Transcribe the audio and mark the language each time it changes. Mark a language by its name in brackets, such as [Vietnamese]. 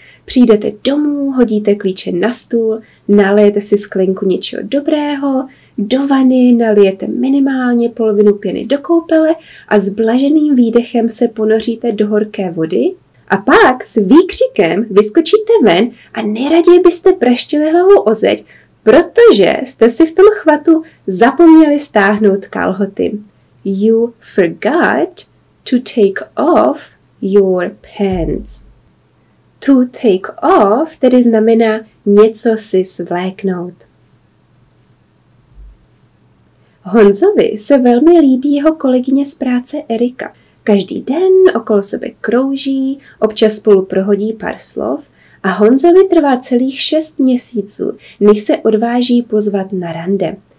[Czech] Přijdete domů, hodíte klíče na stůl, nalijete si sklenku něčeho dobrého, do vany nalijete minimálně polovinu pěny do koupele a s blaženým výdechem se ponoříte do horké vody a pak s výkřikem vyskočíte ven a nejraději byste praštili hlavou o zeď, protože jste si v tom chvatu zapomněli stáhnout kalhoty. [English] You forgot to take off your pants. [Czech] To take off tedy znamená něco si svléknout. Honzovi se velmi líbí jeho kolegyně z práce Erika. Každý den okolo sebe krouží, občas spolu prohodí pár slov a Honzovi trvá celých 6 měsíců, než se odváží pozvat na rande.